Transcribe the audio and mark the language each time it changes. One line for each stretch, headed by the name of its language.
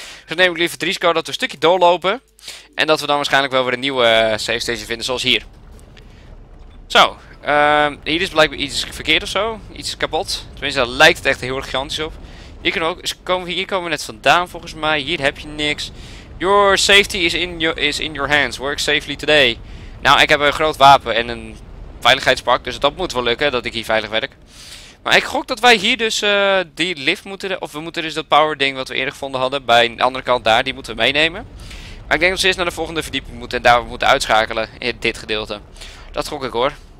Dutch: Dus neem ik liever het risico dat we een stukje doorlopen. En dat we dan waarschijnlijk wel weer een nieuwe save station vinden, zoals hier. Zo. Hier is blijkbaar iets verkeerd of zo. Iets kapot. Tenminste, daar lijkt het echt heel erg gigantisch op. Hier kunnen we ook. Hier komen we net vandaan volgens mij. Hier heb je niks.
English: Your safety is in your hands. Work safely today.
Dutch: Nou, ik heb een groot wapen en een veiligheidspak, dus dat moet wel lukken dat ik hier veilig werk. Maar ik gok dat wij hier dus die lift moeten, of we moeten dus dat power ding wat we eerder gevonden hadden bij de andere kant daar, die moeten we meenemen. Maar ik denk dat we eerst naar de volgende verdieping moeten en daar we moeten uitschakelen in dit gedeelte. Dat gok ik hoor.